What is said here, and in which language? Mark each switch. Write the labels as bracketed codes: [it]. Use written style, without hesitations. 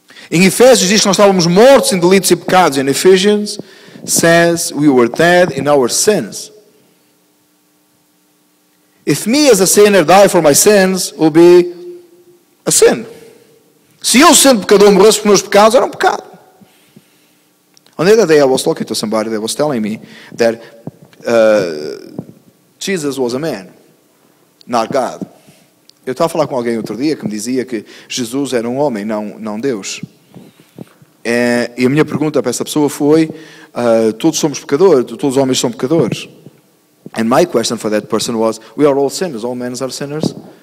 [pt] Em Efésios diz que nós estávamos mortos em delitos e pecados. Em Efésios... [en] says we were dead in our sins. If me as a sinner die for my sins, will be a sin. [pt] Se eu sendo pecador morresse por meus pecados, era um pecado. [en] On the other day I was talking to somebody that was telling me that Jesus was a man, not God. [pt] Eu estava a falar com alguém outro dia que me dizia que Jesus era um homem, não Deus. E a minha pergunta para essa pessoa foi: todos somos pecadores, todos os homens são pecadores. [en] And my question for that person was: we are all sinners, all men are sinners.